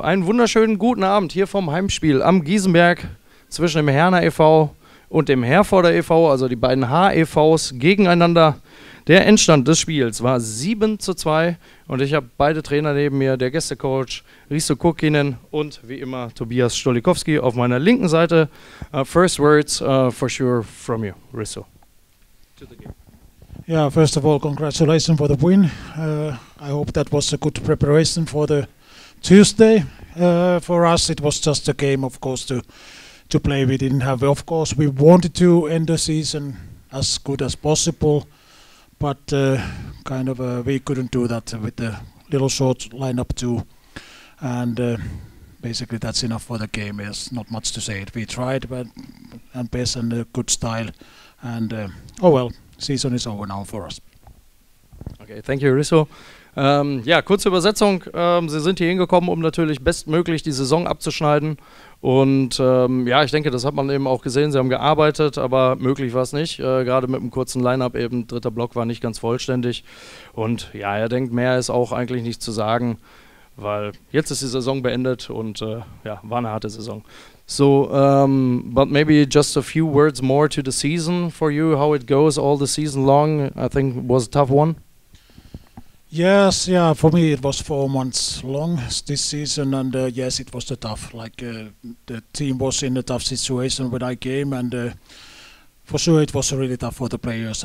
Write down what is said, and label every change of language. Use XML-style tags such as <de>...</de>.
<de>Einen wunderschönen guten Abend hier vom Heimspiel am Giesenberg zwischen dem Herner e.V. und dem Herforder e.V., also die beiden HEVs gegeneinander. Der Endstand des Spiels war 7:2 und ich habe beide Trainer neben mir, der Gästecoach Risto Kukkinen und wie immer Tobias Stolikowski auf meiner linken Seite.</de> <en>First words for sure from you, Risto. To the game. Yeah, first of all, congratulations for the win. I hope that was a good preparation for the Tuesday. For us, it was just a game, of course, to play. We didn't have, of course, we wanted to end the season as good as possible, but we couldn't do that with the little short lineup too. And basically, that's enough for the game. There's not much to say. We tried, but and based on a good style, and season is over now for us. Okay, thank you, Risto.</en> <de>Kurze Übersetzung. Sie sind hier hingekommen, um natürlich bestmöglich die Saison abzuschneiden. Und ich denke, das hat man eben auch gesehen. Sie haben gearbeitet, aber möglich war es nicht. Gerade mit einem kurzen Line-Up eben, dritter Block war nicht ganz vollständig. Und ja, er denkt, mehr ist auch eigentlich nicht zu sagen, weil jetzt ist die Saison beendet und war eine harte Saison.</de> <en>So, but maybe just a few words more to the season for you, how it goes all the season long. I think it was a tough one. Yes, yeah, for me it was 4 months long this season, and yes, it was tough. Like the team was in a tough situation when I came, and for sure it was really tough for the players.</en>